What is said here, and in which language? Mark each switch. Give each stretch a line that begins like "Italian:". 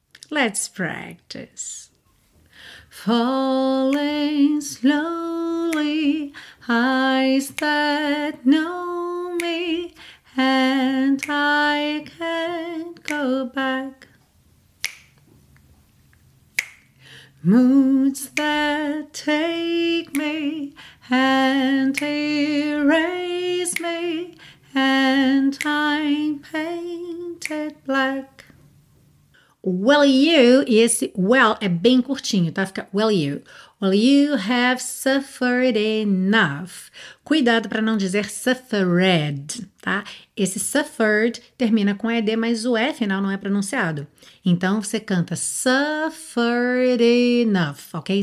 English: Let's practice. Falling slowly, eyes that know me, and I can't go back. Moods that take me and erase me, and I'm painted black.
Portuguese: Will you, e esse well é bem curtinho, tá?
English: Fica will you have suffered enough?
Portuguese: Cuidado para não dizer suffered, tá? Esse suffered termina com ED, mas o E final não é pronunciado. Então, você canta suffered enough, ok?